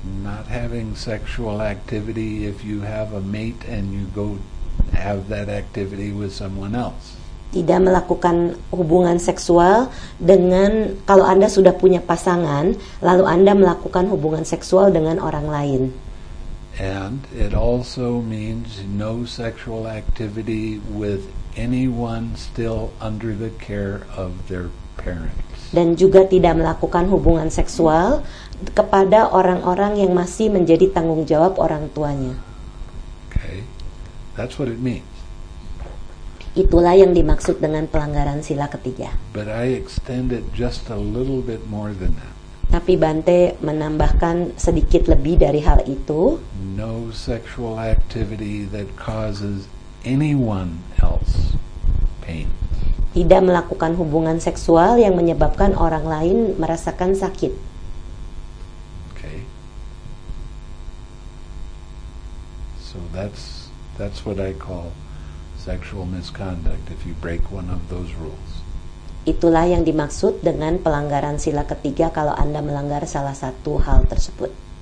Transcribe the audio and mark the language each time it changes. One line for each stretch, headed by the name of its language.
English: Not having sexual activity if you have a mate and you go have that activity with someone else.
Indonesian: Tidak melakukan hubungan seksual dengan, kalau Anda sudah punya pasangan, lalu Anda melakukan hubungan seksual dengan orang lain.
English: And it also means no sexual activity with anyone still under the care of their parents.
Indonesian: Dan juga tidak melakukan hubungan seksual kepada orang-orang yang masih menjadi tanggung jawab orang tuanya.
English: Okay, that's what it means.
Indonesian: Itulah yang dimaksud dengan pelanggaran sila ketiga.
English: But I extend it just a little bit more than that.
Indonesian: Tapi Bante menambahkan sedikit lebih dari hal itu.
English: No sexual activity that causes anyone else pain.
Indonesian: Tidak melakukan hubungan seksual yang menyebabkan orang lain merasakan sakit.
English: Okay. So that's what I call sexual misconduct if you break one of those rules.
Indonesian: Itulah yang dimaksud dengan pelanggaran sila ketiga kalau Anda melanggar salah satu hal tersebut.